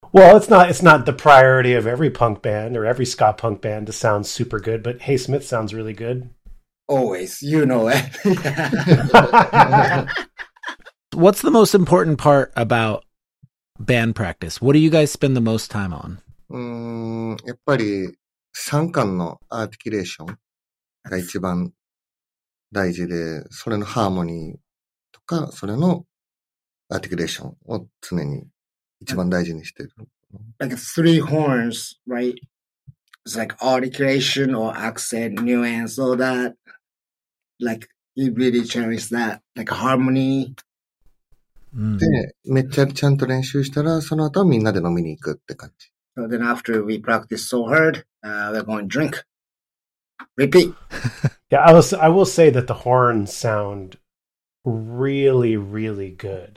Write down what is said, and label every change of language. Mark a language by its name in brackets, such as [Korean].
[English] Well, it's not the priority of every punk band or every ska punk band to sound super good, but Hey Smith sounds really good. Always. You know it. What's the most important part about band practice? What do you guys spend the most time on? [Japanese] やっぱり三感のアーティキュレーションが一番大事で、それのハーモニーとか、それのアーティキュレーションを常に一番大事にしてる。 [English] Like three horns, right? It's like articulation or accent, nuance, all that. Like, you really cherish that, like harmony.、 [Japanese] で、めっちゃちゃんと練習したら、その後みんなで飲みに行くって感じ。 [English] So then after we practice so hard, we're going to drink. Repeat. Yeah, I will say that the horns sound really, really good.